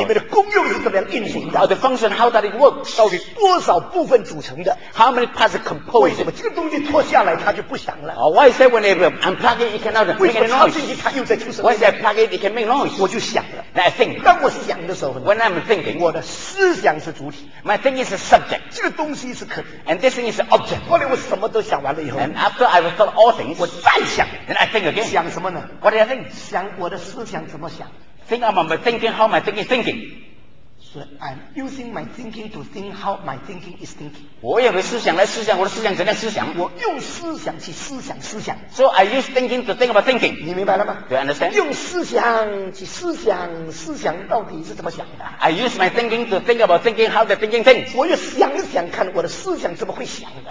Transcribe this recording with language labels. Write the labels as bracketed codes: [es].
[zh] 里面的功用是怎么样运行的 [en] ？The function how does it work？ [zh] 到底多少部分组成的 [en] ？How many parts are composed？ [zh] 为什么这个东西脱下来它就不响了 [en] ？Why？ I said when I unplug it, it cannot make a noise. When I plug it, it can make noise. [zh] 我就想了。 [en] Then I think. [zh] 当我想的时候呢 [en] ？When I'm thinking. [zh] 我的思想是主体。 [en] My thinking is a subject. [zh] 这个东西是可。 [en] And this thing is an object. [zh] 后来我什么都想完了以后。 [en] And after I've thought all things. [zh] 我再想。 [en] Then I think again. [zh] 想什么呢 [en] ？What do I think? [zh] 想我的思想怎么想 [en] ？Think about my thinking. How my thinking is thinking. So I'm using my thinking to think how my thinking is thinking. [zh] 我用思想来思想，我的思想怎样思想？我用思想去思想思想。 [en] So I use thinking to think about thinking. [zh] 你明白了吗？ [en] Do you understand? [zh] 用思想去思想思想到底是怎么想的？ [en] I use my thinking to think about thinking how the thinking thinks. [zh] 我要想想看我的思想怎么会想的。